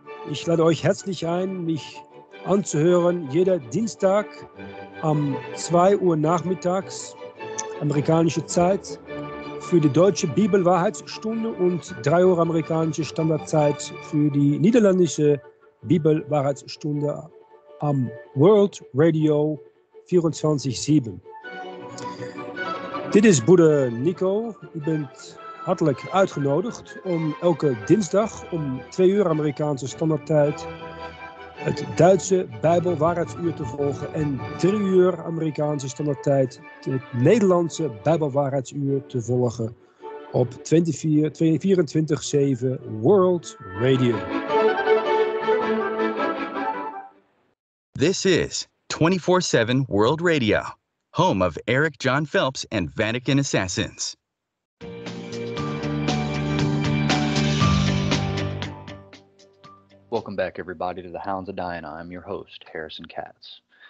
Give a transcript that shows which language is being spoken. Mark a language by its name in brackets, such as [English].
[German] Ich lade euch herzlich ein, mich anzuhören, jeder Dienstag um 2 Uhr nachmittags, amerikanische Zeit, für die deutsche Bibelwahrheitsstunde und 3 Uhr amerikanische Standardzeit für die niederländische Bibelwahrheitsstunde am World Radio 24/7. [Dutch] Dit is Bruder Nico. Ik ben hartelijk uitgenodigd om elke dinsdag om 2 uur Amerikaanse standaardtijd het Duitse Bijbelwaarheidsuur te volgen en 3 uur Amerikaanse standaardtijd het Nederlandse Bijbelwaarheidsuur te volgen op 24/7 World Radio. [English] This is 24/7 World Radio, home of Eric John Phelps and Vatican Assassins. Welcome back, everybody, to the Hounds of Diana. I'm your host, Harrison Katz.